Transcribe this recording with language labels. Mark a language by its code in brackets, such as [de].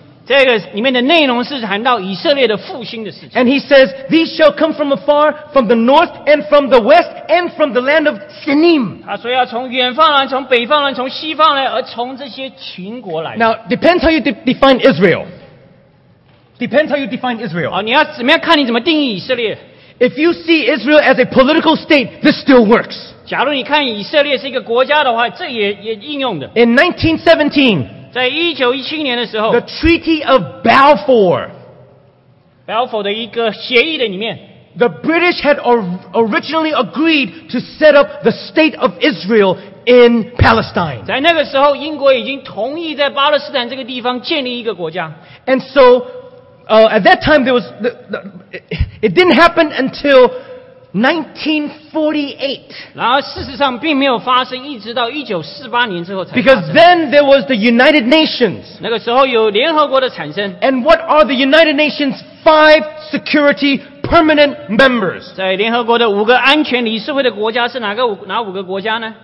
[zh] 这个里面的内容是谈到以色列的复兴的事情 [en] And he says These shall come from afar from the north and from the west and from the land of Sinim [zh] 他说要从远方来从北方来从西方来而从这些秦国来 [en] Now depends how you define Israel Depends how you define Israel [zh] 你要怎么样看你怎么定义以色列 [en] If you see Israel as a political state this still works [zh] 假如你看以色列是一个国家的话这也应用的 [en] In 1917 [zh] 在1917年的时候 [en] The Treaty of Balfour [zh] Balfour 的一个协议的里面 [en] The British had originally agreed to set up the state of Israel in Palestine. [zh] 在那个时候，英国已经同意在巴勒斯坦这个地方建立一个国家。 [en] And so, at that time there was it didn't happen until 1948. [zh] 然后事实上并没有发生，一直到1948年之后才。 [en] Because then there was the United Nations. [zh] 那个时候有联合国的产生。 [en] And what are the United Nations five security permanent members? [zh] 在联合国的五个安全理事会的国家是哪五个国家呢